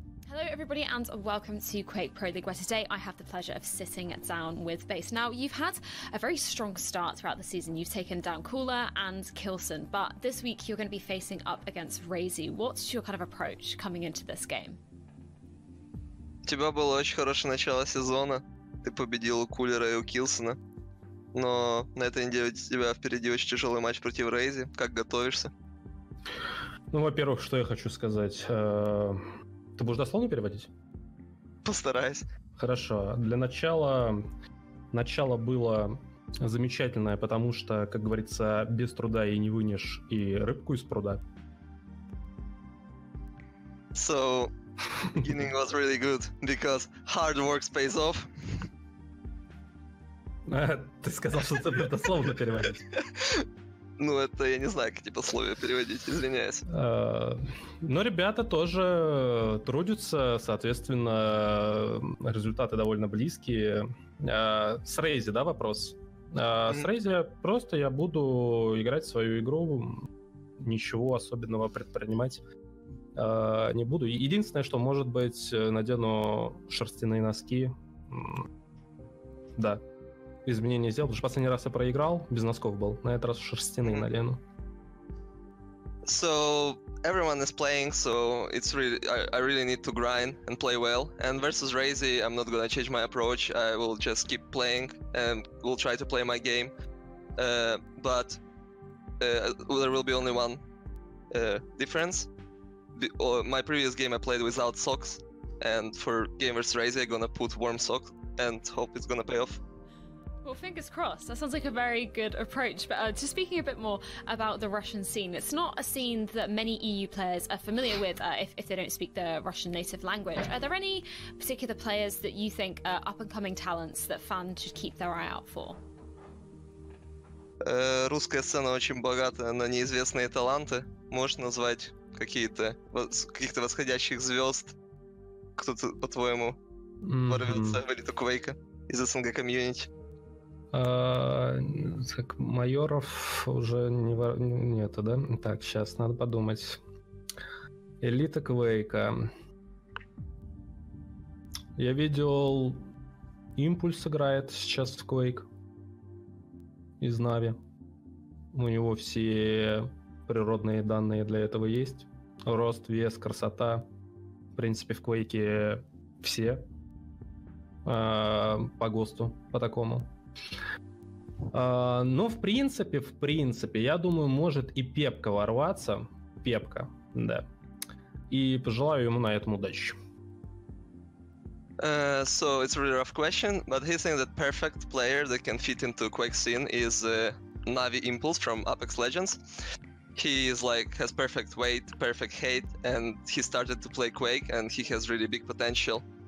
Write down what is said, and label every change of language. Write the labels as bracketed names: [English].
[English] Hello, everybody, and welcome to Quake Pro League, where today I have the pleasure of sitting down with Base. Now, you've had a very strong start throughout the season. You've taken down Cooler and Kilsen, but this week you're going to be facing up against Razy. What's your kind of approach coming into this game? [Russian] У тебя было очень хорошее начало сезона. Ты победил у Кулера и у Килсена. Но на этой неделе у тебя впереди очень тяжелый матч против Razy. Как готовишься? Ну, во-первых, что я хочу сказать... Ты будешь дословно переводить? Постараюсь. Хорошо. Для начала, начало было замечательное, потому что, как говорится, без труда и не вынешь и рыбку из пруда. So, beginning was really good, because hard work pays off. Ты сказал, что ты будешь дословно переводить. Ну, это я не знаю, какие пословия переводить, извиняюсь. Но ребята тоже трудятся, соответственно, результаты довольно близкие. С Razy, да, вопрос? С Razy просто я буду играть свою игру, ничего особенного предпринимать не буду. Единственное, что, может быть, надену шерстяные носки. Да. Изменения сделал, потому что последний раз я проиграл, без носков был, на этот раз шерстяные надену. [English] So, everyone is playing, so it's really, I really need to grind and play well. And versus Razy, I'm not gonna change my approach, I will just keep playing and will try to play my game. But there will be only one difference. My previous game I played without socks, and for game versus Razy I'm gonna put warm socks and hope it's gonna pay off. Well, fingers crossed. That sounds like a very good approach. But just speaking a bit more about the Russian scene, it's not a scene that many EU players are familiar with if they don't speak the Russian native language. Are there any particular players that you think are up-and-coming talents that fans should keep their eye out for? [Russian] Русская сцена очень богата на неизвестные таланты. Можешь назвать каких-то восходящих звезд? Кто-то, по-твоему, ворвется в элиту Quake из СНГ комьюнити? Так, майоров уже не вор... нету, да? Так, сейчас, надо подумать. Элита Квейка. Я видел, Импульс играет сейчас в Квейк. Из Нави. У него все природные данные для этого есть. Рост, вес, красота. В принципе, в Квейке все. По ГОСТу, по такому. Но в принципе, я думаю, может и Пепка ворваться. Пепка, да. И пожелаю ему на этом удачи. [English] So it's a really rough question, but he's saying that perfect player that can fit into Quake scene is Navi Impulse from Apex Legends. He is like has perfect weight, perfect height, and he started to play Quake, and he has really big potential.